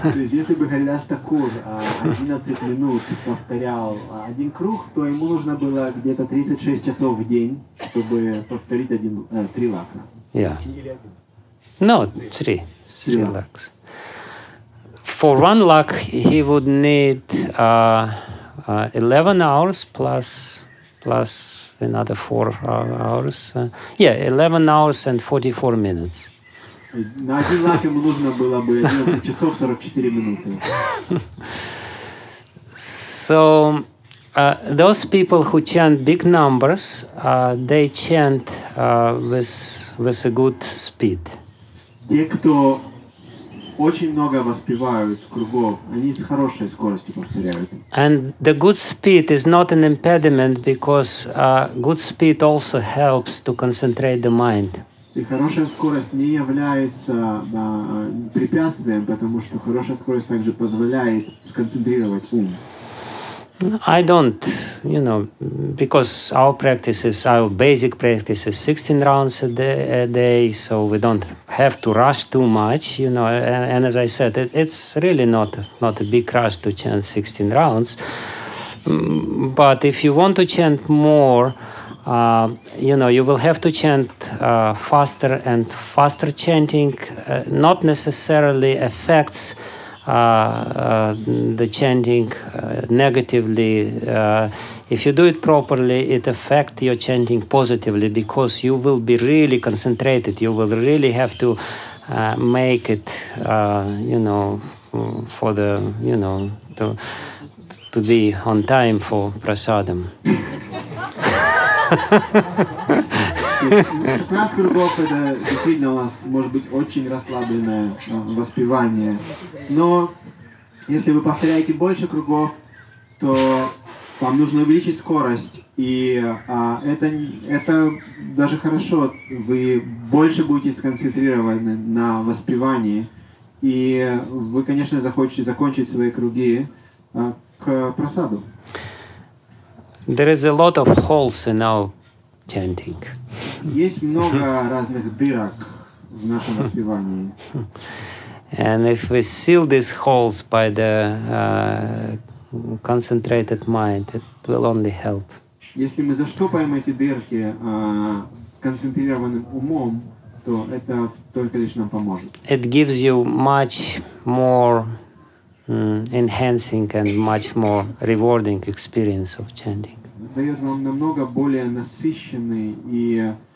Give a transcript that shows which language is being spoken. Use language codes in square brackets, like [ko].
[ru] Если бы Харидас Такур 11 минут повторял один круг, то ему нужно было где-то 36 часов в день, чтобы повторить один Sri Laks. [en] Yeah. No, three. Sri Laks. For one lakh, he would need 11 hours plus another 4 hours. 11 hours and 44 minutes. [ru] На один лакх ему нужно было бы 11 часов 44 минуты. [en] So, those people who chant big numbers, they chant with a good speed. [ru] Те, кто очень много воспевают кругов, они с хорошей скоростью повторяют. [en] And the good speed is not an impediment, because good speed also helps to concentrate the mind. [ru] И хорошая скорость не является препятствием, потому что хорошая скорость также позволяет сконцентрировать ум. I don't, you know, because our practices, our basic practice is 16 rounds a day, so we don't have to rush too much, you know, and as I said, it's really not a big rush to chant 16 rounds, but if you want to chant more, you know, you will have to chant faster, and faster chanting not necessarily affects the chanting negatively. If you do it properly, it affects your chanting positively, because you will be really concentrated. You will really have to make it, you know, for the, you know, to be on time for prasadam. 16 кругов – это действительно у нас может быть очень расслабленное воспевание. Но если вы повторяете больше кругов, то вам нужно увеличить скорость. И это даже хорошо. Вы больше будете сконцентрированы на воспевании. И вы, конечно, захочете закончить свои круги к просаду. [en] There is a lot of holes in our chanting. [ru] Есть много разных дырок в нашем воспевании. [en] And if we seal these holes by the concentrated mind, it will only help. [ru] Если мы заштопаем эти дырки с концентрированным умом, то это только лишь нам поможет. [en] It gives you much more enhancing and much more rewarding experience of chanting. [ru] Дает вам намного более насыщенный и